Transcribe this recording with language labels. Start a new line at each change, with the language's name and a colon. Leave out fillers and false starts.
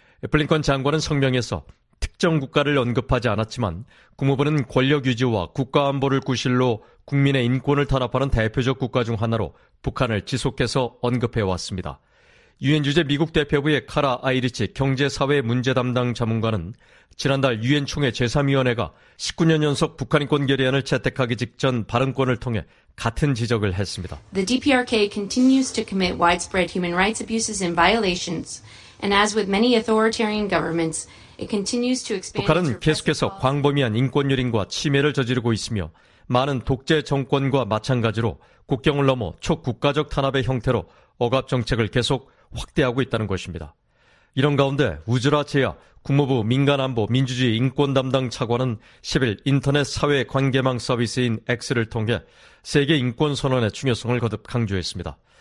Korean: 블링컨 장관은 성명에서 특정 국가를 언급하지 않았지만 국무부는 권력 유지와 국가 안보를 구실로 국민의 인권을 탄압하는 대표적 국가 중 하나로 북한을 지속해서 언급해왔습니다. 유엔 주재 미국 대표부의 카라 아이리치 경제사회 문제 담당 자문가는 지난달 유엔 총회 제3위원회가 19년 연속 북한인권 결의안을 채택하기 직전 발언권을 통해 같은 지적을 했습니다.
English: The DPRK continues to commit widespread human rights abuses and violations. And as with many authoritarian governments, it continues to expand.
Korean: 북한은 계속해서 광범위한 인권유린과 침해를 저지르고 있으며 많은 독재 정권과 마찬가지로 국경을 넘어 초국가적 탄압의 형태로 억압 정책을 계속 확대하고 있다는 것입니다. 이런 가운데 우즈라 제야 국무부 민간안보 민주주의 인권 담당 차관은 10일 인터넷 사회 관계망 서비스인 X를 통해 세계 인권 선언의 중요성을 거듭 강조했습니다.